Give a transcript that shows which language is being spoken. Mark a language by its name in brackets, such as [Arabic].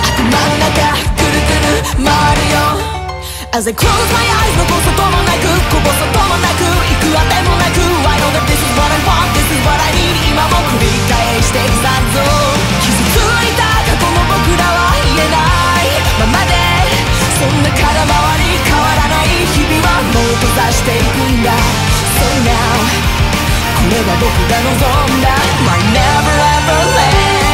[Japanese] 頭の中くるくる回るよ。 [English] As I close my eyes [Japanese] 残すともなくこぼすともなく行くあてもなく [English] I know that this is what I want, this is what I need. [Japanese] 今も繰り返していくさんぞ。傷ついた過去も僕らは言えないままで、そんな空回り変わらない日々はもう閉ざしていくんだ。 [English] So now [Japanese] これは僕が望んだ [English] My never ever land。